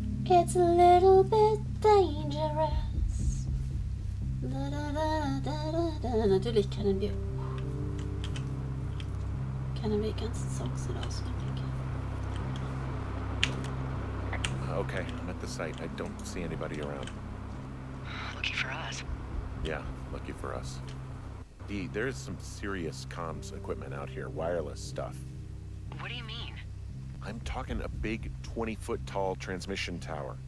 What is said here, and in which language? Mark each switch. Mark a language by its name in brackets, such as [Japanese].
[English] It's a little bit dangerous. Da, da, da, da, da, da. [German] Natürlich kennen wir die ganzen Songs nicht auswendig. [English] Okay, I'm at the site. I don't see anybody around. Lucky for us. Yeah, lucky for us. Dee, there is some serious comms equipment out here, wireless stuff. What do you mean? I'm talking a big 20-foot tall transmission tower.